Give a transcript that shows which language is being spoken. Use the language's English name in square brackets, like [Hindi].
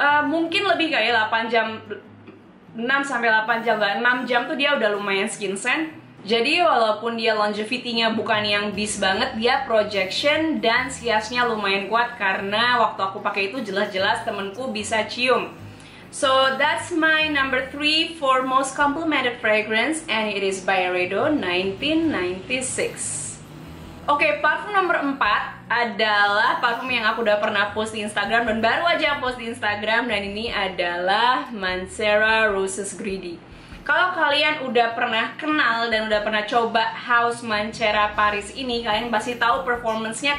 [Indonesian] Mungkin lebih kayak 8 jam, 6-8 jam, 6 jam tuh dia udah lumayan skin scent. Jadi walaupun dia longevity-nya bukan yang beast banget, dia projection dan siasnya lumayan kuat karena waktu aku pakai itu jelas-jelas temenku bisa cium. [English] So that's my number 3 for most complimented fragrance, and it is Byredo 1996. [Indonesian] Okay, parfum number 4 adalah parfum yang aku udah pernah post di Instagram, dan baru aja post di Instagram, dan ini adalah Mancera Roses Greedy. Kalau kalian udah pernah kenal dan udah pernah coba House Mancera Paris ini, kalian pasti tahu performance-nya.